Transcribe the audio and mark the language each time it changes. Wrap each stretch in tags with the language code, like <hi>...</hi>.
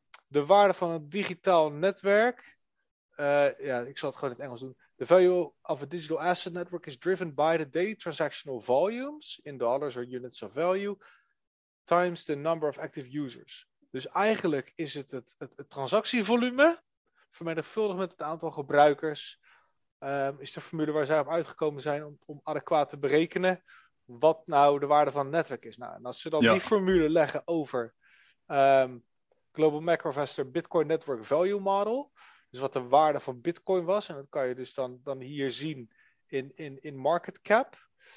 <nl>De waarde van een digitaal netwerk. Ik zal het gewoon in het Engels doen.</nl> <en>The value of a digital asset network is driven by the daily transactional volumes in dollars or units of value times the number of active users.</en> <nl>Dus eigenlijk is het transactievolume vermenigvuldigd met het aantal gebruikers. Is de formule waar zij op uitgekomen zijn om adequaat te berekenen wat nou de waarde van het netwerk is. Nou, en als ze dan die formule leggen over Global Macro Investor Bitcoin Network Value Model, dus wat de waarde van Bitcoin was, en dat kan je dus dan hier zien in market cap.</nl>